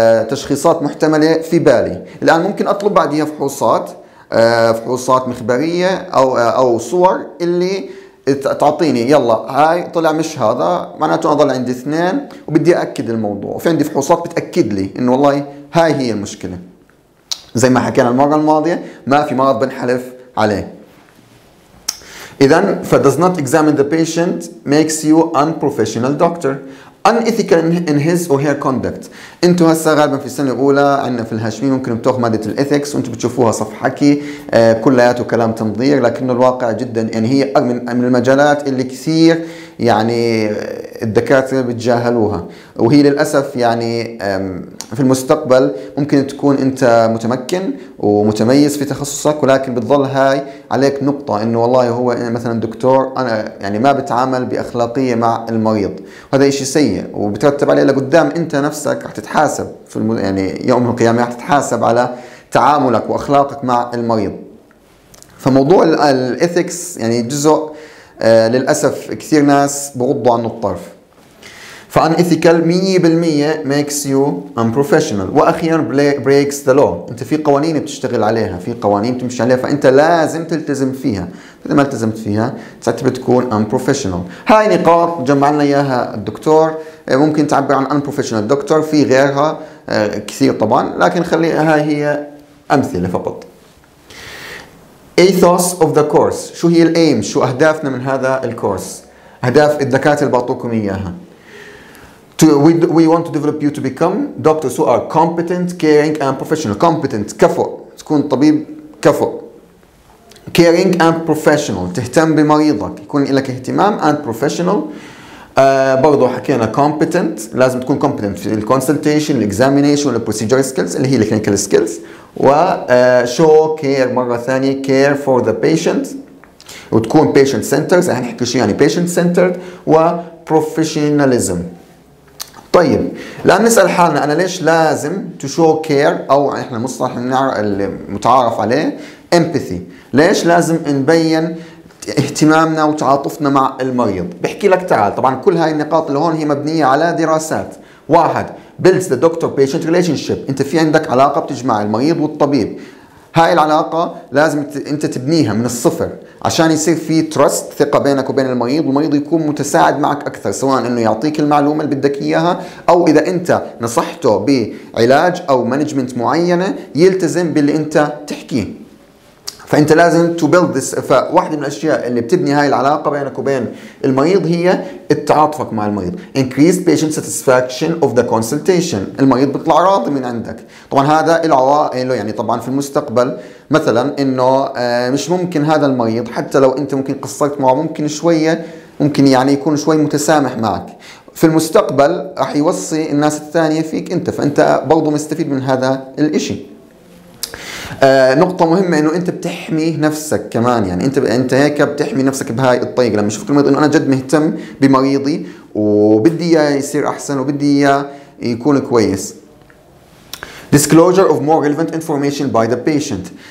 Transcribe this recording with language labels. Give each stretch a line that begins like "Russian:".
Arabic: تشخيصات محتملة في بالي. الآن ممكن أطلب بعدها فحوصات، فحوصات مخبرية أو صور اللي تعطيني يلا هاي طلع مش هذا، معناته أنا ضل عندي اثنين وبدي أأكد الموضوع، وفي عندي فحوصات بتأكد لي إنه والله هاي هي المشكلة. زي ما حكينا المرة الماضية ما في مرض بنحلف عليه. إذن ف
English: does not examine the patient makes you unprofessional doctor. Unethical in his or her conduct.
Arabic: انتو هسا غالبا في السنة الأولى عندنا في الهاشمية ممكن بتاخذ مادة الإثكس وانتو بتشوفوها صف حكي كلياته كلام تنظير، لكن الواقع جدا يعني هي من المجالات اللي كثير يعني الدكاترة بتجاهلوها، وهي للأسف يعني في المستقبل ممكن تكون انت متمكن ومتميز في تخصصك، ولكن بتظل هاي عليك نقطة انه والله هو مثلا دكتور انا يعني ما بتعامل بأخلاقية مع المريض، وهذا اشي سيء وبترتب عليه لقدام انت نفسك رح تتحاسب في يعني يوم القيامة رح تتحاسب على تعاملك واخلاقك مع المريض. فموضوع الإثكس يعني جزء للأسف كثير ناس بغضوا عنه الطرف.
English: فان ethical 100% makes you unprofessional.
Arabic: وأخيرا
English: breaks the law.
Arabic: أنت في قوانين بتشتغل عليها، في قوانين بتمشي عليها، فأنت لازم تلتزم فيها. إذا ما التزمت فيها تعتبر تكون unprofessional. هاي نقاط جمعنا إياها الدكتور، ممكن تعبر عن unprofessional doctor، في غيرها كثير طبعا، لكن خليها هي أمثلة فقط.
English: Ethos of the course.
Arabic: شو هي الايم، شو أهدافنا من هذا الكورس، أهداف الدكاترة اللي بعطوكم إياها.
English: We want to develop you to become doctors who are competent, caring and professional.
Arabic: Competent كفو، تكون طبيب كفو.
English: Caring and professional،
Arabic: تهتم بمريضك، يكون لك اهتمام and professional. برضو حكينا competent، لازم تكون competent في الconsultation, examination, procedure skills اللي هي clinical skills. وshow care مرة ثانية،
English: care for the patient،
Arabic: وتكون patient centered، يعني نحكي شيء يعني patient centered وprofessionalism. طيب الآن نسأل حالنا أنا ليش لازم
English: to show care،
Arabic: أو إحنا مصطلح المتعارف عليه empathy، ليش لازم نبين اهتمامنا وتعاطفنا مع المريض. بحكي لك تعال، طبعا كل هاي النقاط اللي هون هي مبنية على دراسات. واحد
English: builds the doctor patient relationship،
Arabic: انت في عندك علاقة بتجمع المريض والطبيب، هاي العلاقة لازم انت تبنيها من الصفر عشان يصير في trust، ثقة بينك وبين المريض، والمريض يكون متساعد معك اكثر، سواء انه يعطيك المعلومة اللي بدك اياها او اذا انت نصحته بعلاج او management معينة يلتزم باللي انت تحكيه. فانت لازم
English: to build this.
Arabic: فواحدة من الاشياء اللي بتبني هاي العلاقة بينك وبين المريض هي التعاطفك مع المريض.
English: increase patient satisfaction of the consultation،
Arabic: المريض بيطلع راضي من عندك. طبعا هذا العوائل يعني طبعا في المستقبل مثلا انه مش ممكن هذا المريض حتى لو انت ممكن قصرت معه ممكن شوية ممكن يعني يكون شوي متسامح معك، في المستقبل رح يوصي الناس الثانية فيك انت، فانت برضو مستفيد من هذا الاشي. نقطة مهمة انه انت بتحمي نفسك كمان، يعني انت هيك بتحمي نفسك بهاي الطريقة، لما يشوفك المريض انه انا جد مهتم بمريضي وبدي اياه يصير احسن وبدي اياه يكون كويس.
English: Disclosure of more relevant information by the patient.